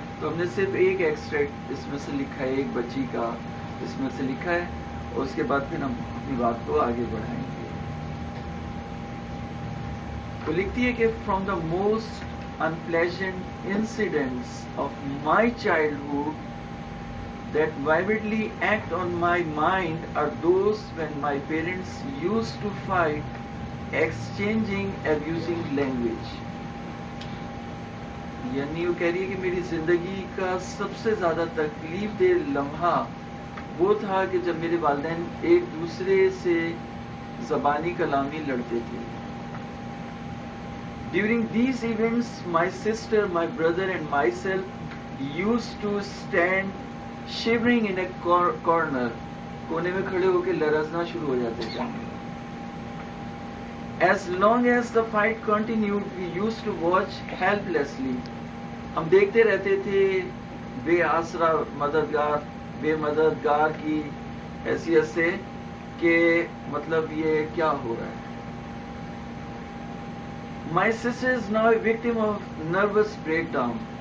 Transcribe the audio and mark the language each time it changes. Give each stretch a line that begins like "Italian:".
Urdu: تو ہم نے صرف ایک ایکسٹریکٹ اس میں سے لکھا ہے, ایک بچی کا اس میں سے لکھا ہے, اور اس کے بعد پھر ہم اپنی بات کو آگے بڑھائیں گے. وہ لکھتی ہے کہ
English: From the most unpleasant incidents of my childhood that vividly act on my mind are those when my parents used to fight, exchanging abusing language.
Urdu: یعنی وہ کہہ رہی ہے کہ میری زندگی کا سب سے زیادہ تکلیف دہ لمحہ وہ تھا کہ جب میرے والدین ایک دوسرے سے زبانی کلامی لڑتے تھے.
English: During these events, my sister, my brother and myself used to stand shivering in a corner.
Urdu: کونے میں کھڑے ہو کے لرزنا شروع ہو جاتے تھے.
English: As long as the fight continued, we used to watch helplessly.
Urdu: ہم دیکھتے رہتے تھے بے آسرا مددگار, بے مددگار کی حیثیت سے کہ مطلب یہ کیا ہو رہا ہے.
English: My sister is now a victim of nervous breakdown.